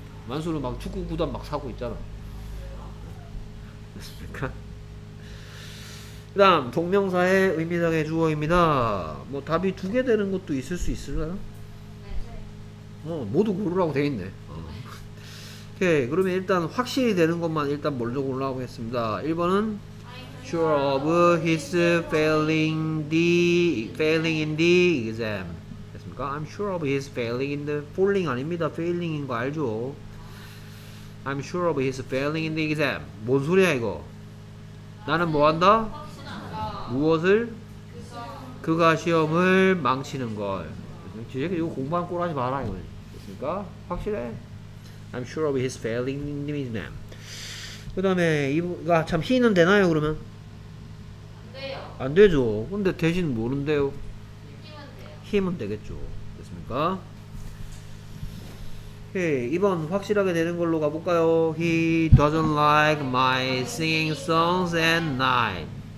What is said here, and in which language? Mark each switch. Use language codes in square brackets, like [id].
[ko] 만수르 막 축구 구단 막 사고 있잖아. 됐습니까? 그 다음 동명사의 의미상의 주어입니다. 뭐 답이 두 개 되는 것도 있을 수 있을까요? 네. 모두 고르라고 돼 있네. 오케이. 그러면 일단 확실히 되는 것만 일단 먼저 고르라고 했습니다. 1번은 [en] sure of his failing in the exam. [ko] 됐습니까? [en] I'm sure of his failing in the falling [ko] 아닙니다. [en] failing인 거 [ko] 알죠? [en] I'm sure of his failing in the exam. [ko] 뭔 소리야 이거? 나는 뭐 한다? 무엇을? 그가 시험을 망치는 걸. 지적 이거 공부한 꼴 하지 마라 이거. 됐습니까? 확실해? [en] I'm sure of his failing in the exam. [ko] 그 다음에 이거 참 힘은 되나요 그러면? 안 돼요. 안 되죠. 근데 대신 모른대요. 힘은 되겠죠. 됐습니까? 오케이. 이번 확실하게 되는 걸로 가볼까요? [en] He doesn't like my singing songs at night.